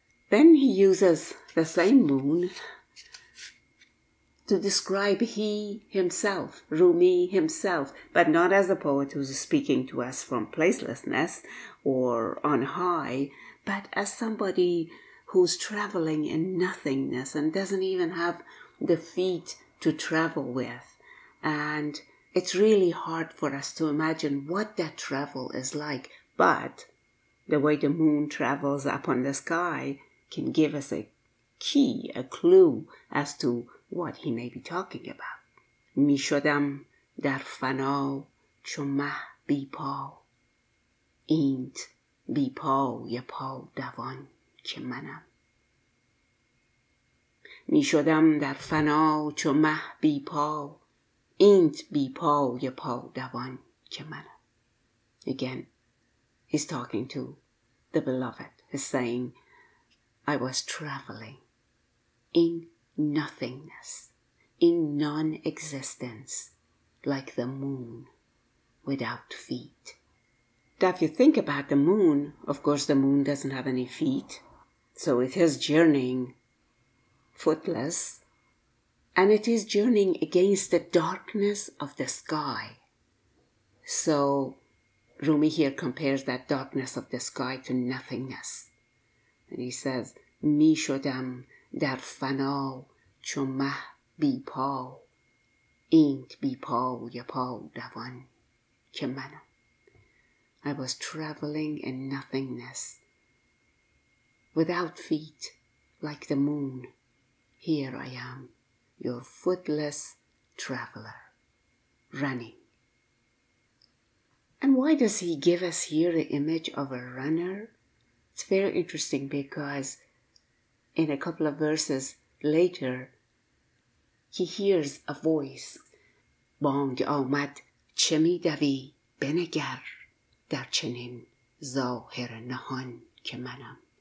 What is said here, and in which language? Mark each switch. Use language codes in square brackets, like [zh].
[en] Then he uses the same moon to describe he himself, Rumi himself, but not as a poet who's speaking to us from placelessness or on high, but as somebody who's traveling in nothingness and doesn't even have the feet to travel with. And it's really hard for us to imagine what that travel is like, but the way the moon travels up on the sky can give us a key, a clue as to what he may be talking about. [fa] می شدم در فنا چو مه بی پا اینت بی پا ی پا دوان که منم. می شدم در فنا چو مه بی پا اینت بی پا ی پا دوان که منم. [en] Again, he's talking to the beloved. He's saying, I was traveling in nothingness, in non-existence, like the moon without feet. Now, if you think about the moon, of course, the moon doesn't have any feet. So it is journeying footless, and it is journeying against the darkness of the sky. So Rumi here compares that darkness of the sky to nothingness. And he says, [fa] می شدم در فنا چو مه بی پا اینت بی پا ی پا دوان که منم. [en] I was traveling in nothingness without feet like the moon. Here I am, your footless traveler, running. And why does he give us here the image of a runner? It's very interesting because in a couple of verses later, he hears a voice. [fa] بانگ آمد چه می دوی بنگر در چنین ظاهر نهان که منم.